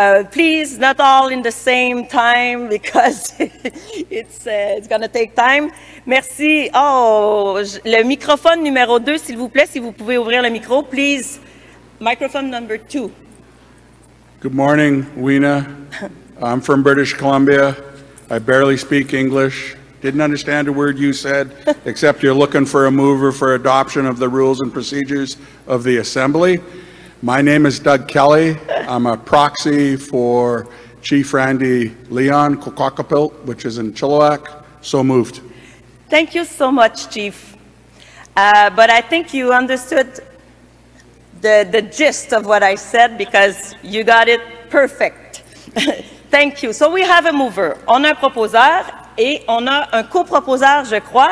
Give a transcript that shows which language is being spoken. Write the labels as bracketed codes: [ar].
[en] please, not all in the same time because it's going to take time. [fr] Merci. Oh, le microphone numéro 2, s'il vous plaît, si vous pouvez ouvrir le micro, please. [en] Microphone number 2. Good morning, Wina. I'm from British Columbia. I barely speak English. Didn't understand a word you said, except you're looking for a mover for adoption of the rules and procedures of the Assembly. My name is Doug Kelly. I'm a proxy for Chief Randy Leon Kokokapilt, which is in Chilliwack. So moved. Thank you so much, Chief. But I think you understood the gist of what I said because you got it perfect. Thank you. So we have a mover. [fr] On a un proposeur et on a un coproposeur, je crois.